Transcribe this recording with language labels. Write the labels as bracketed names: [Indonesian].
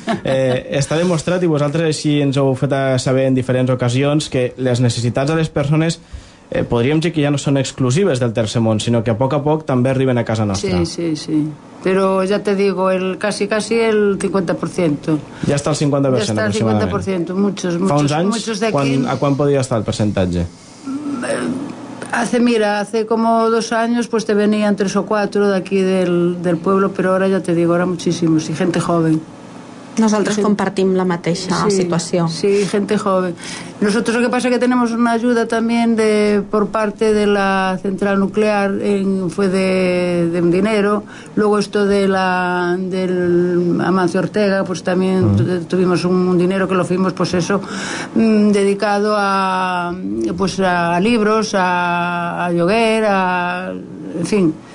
[Catalan] Està demostrat, i vosaltres així ens ho heu fet saber en diferents ocasions, que les necessitats de les persones, podríem dir que ja no són exclusives del Tercer Món, sinó que a poc també arriben a casa nostra. [Spanish] Sí, sí, sí. [Catalan] Però ja [Spanish] te digo, casi el 50%. [Catalan] Ja està el 50%, aproximadament. Ja està el 50%, [Spanish] muchos. [Catalan] Fa uns anys, a quan podia estar el percentatge? [Spanish] Hace como dos años pues te venían tres o cuatro de aquí del pueblo, pero ahora ya te digo, ahora muchísimos y gente joven. Nosotros [Catalan] compartim la mateixa situació. [Spanish] Sí, gente joven. Nosotros lo que pasa es que tenemos una ayuda también de por parte de la central nuclear, fue de un dinero. Luego esto de la del Amancio Ortega, pues también tuvimos un dinero que lo fuimos, pues eso, dedicado a pues a libros, a Lloguer, a en fin.